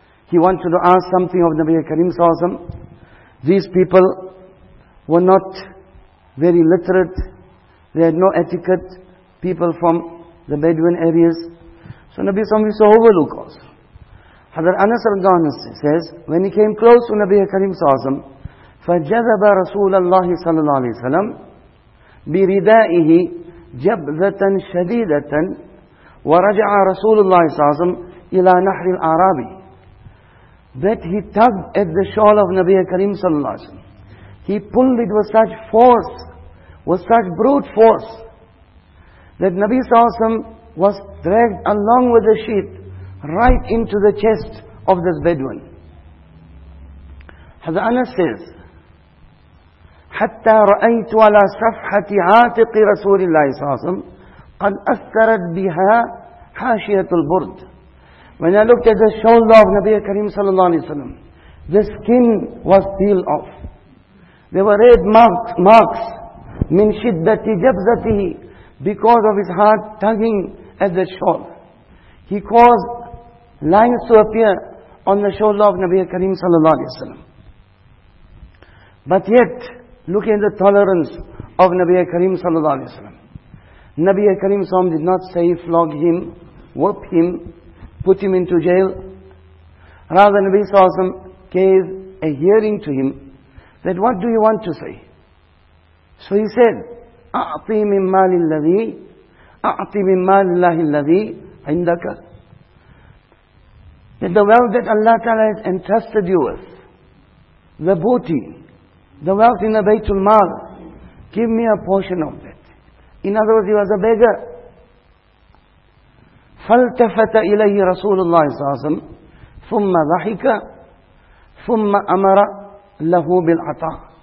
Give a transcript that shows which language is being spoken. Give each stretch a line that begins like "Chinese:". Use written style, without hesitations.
English: He wanted to ask something of Nabi Karim sallallahu alaihi wasallam. These people were not very literate. They had no etiquette. People from the Bedouin areas. So Nabi Sallallahu Alaihi Wasallam overlook us. Hazrat Anas Radhiyallahu Anhu says, when he came close to Nabi Karim Sallallahu Alaihi Wasallam,
Arabic: فَجَذَبَ رَسُولَ اللَّهِ صَلَّى اللَّهُ عَلَيْهِ وَسَلَّمَ. بردائه جبذة شديدة ورجع رسول الله صلى الله عليه وسلم إلى نحر الأعرابي.
English: But he tugged at the shawl of Nabi Karim صلى الله عليه وسلم. He pulled it with such force, with such brute force, that Nabi صلى الله عليه وسلم was dragged along with the sheet right into the chest of this Bedouin.
Arabic: Hazrat Anas says, حَتَّى رَأَيْتُ عَلَى صَفْحَةِ عَاتِقِ رَسُولِ اللَّهِ صَلَّى اللَّهُ عَلَيْهِ وَسَلَّمَ قَدْ أَثَّرَتْ بِهَا حَاشِيَةُ الْبُرْدِ.
English: When I looked at the shoulder of Nabi Karim sallallahu alayhi wa sallam, the skin was peeled off. There were red marks
Arabic: مِنْ شِدَّةِ جَبْزَتِهِ,
English: because of his heart tugging at the shawl. He caused lines to appear on the shoulder of Nabi Karim sallallahu alayhi wa sallam. But yet, look at the tolerance of Nabi Karim sallallahu alayhi wa sallam. Nabi Karim sallallahu alayhi wa sallam did not say, flog him, whoop him, put him into jail. Rather, Nabi sallallahu alayhi wa sallam gave a hearing to him, that what do you want to say?
Arabic: So he said, أعطي من مال الذي أعطي من مال الله الذي عندك.
English: That the wealth that Allah Ta'ala has entrusted you with, the booty, the wealth in the Baytul Mal, give me a portion of that. In other words, he was a beggar.
Arabic: فَالْتَفَتَ إِلَيْهِ رَسُولُ اللَّهِ صَلَّى اللَّهُ عَلَيْهِ وَسَلَّمَ ثُمَّ ضَحِكَ ثُمَّ أَمَرَ لَهُ بِالْعَطَاءِ.